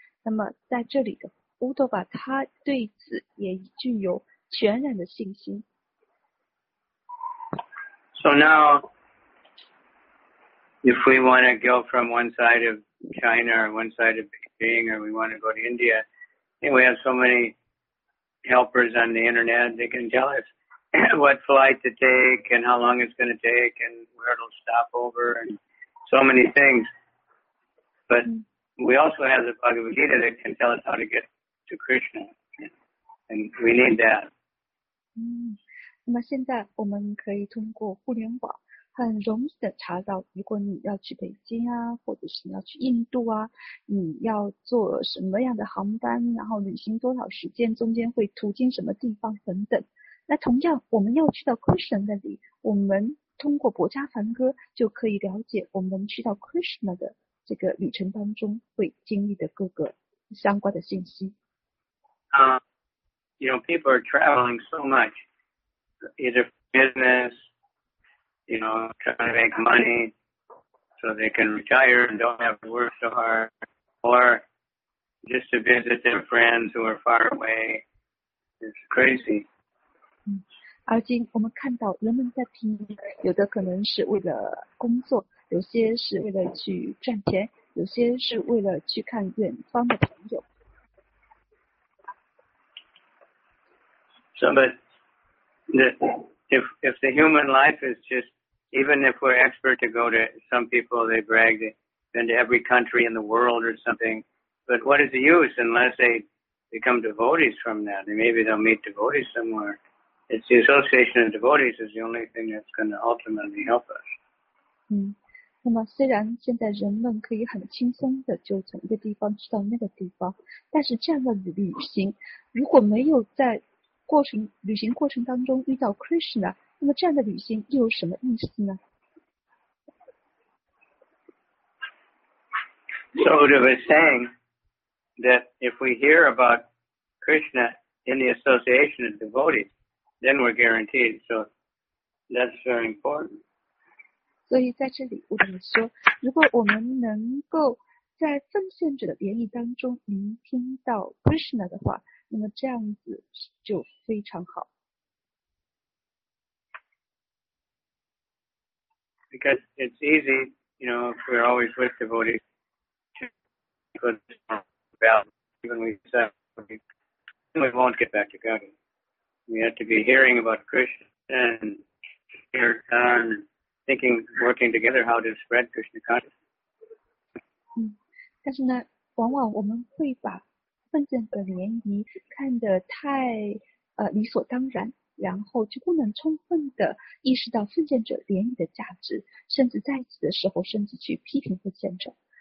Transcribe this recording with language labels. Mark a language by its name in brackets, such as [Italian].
[Chinese] 那么在这里的乌托巴他对此也具有全然的信心。 [English] So now, if we want to go from one side of China or one side of Beijing, or we want to go to India, and we have so many helpers on the internet, they can tell us what flight to take and how long it's going to take and where it'll stop over and so many things. But we also have the Bhagavad Gita that can tell us how to get to Krishna, and we need that. [Chinese] 那么现在我们可以通过互联网很容易的查到，如果你要去北京啊，或者是你要去印度啊，你要坐什么样的航班，然后旅行多少时间，中间会途经什么地方等等。那同样我们要去到 Krishna 那里，我们通过博迦梵歌就可以了解我们去到 Krishna 的这个旅程当中会经历的各个相关的信息。 [English] You know, people are traveling so much, either business, you know, trying to make money so they can retire and don't have to work so hard, or just to visit their friends who are far away. It's crazy. [Chinese] 而今我们看到人们在拼命，有的可能是为了工作，有些是为了去赚钱，有些是为了去看远方的朋友。 [English] So, but if the human life is just, even if we're expert to go to, some people, they brag, they've been to every country in the world or something, but what is the use unless they become devotees from that? And maybe they'll meet devotees somewhere. It's the association of devotees is the only thing that's going to ultimately help us. [Chinese] 那么虽然现在人们可以很轻松的就从一个地方去到那个地方，但是这样的旅行，如果没有在过程旅行过程当中遇到 Krishna， 那么这样的旅行又有什么意思呢 [English] ？So it was saying that if we hear about Krishna in the association of devotees, then we're guaranteed. So that's very important. [Chinese] 所以在这里我们说，如果我们能够在奉献者的联谊当中聆听到 Krishna 的话。那么这样子就非常好。 [English] Because it's easy, you know, if we're always with devotees, to go about even we won't get back to God. We have to be hearing about Krishna and kirtan, thinking, working together how to spread Krishna consciousness. [Chinese] 但是呢，往往我们会把奉献者联谊看得太理所当然，然后就不能充分的意识到奉献者联谊的价值，甚至在一起的时候甚至去批评奉献者。